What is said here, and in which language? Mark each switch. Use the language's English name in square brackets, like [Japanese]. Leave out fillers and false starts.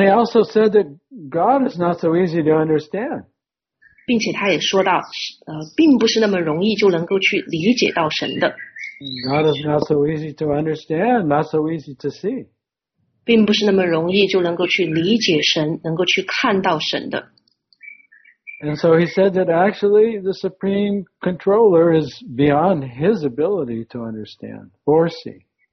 [English] he also said that God is not so easy to understand. [Chinese] 并且他也说到，并不是那么容易就能够去理解到神的。 [English] God is not so easy to understand, not so easy to see. [Chinese] 并不是那么容易就能够去理解神，能够去看到神的。 [English] And so he said that actually the supreme controller is beyond his ability to understand or see.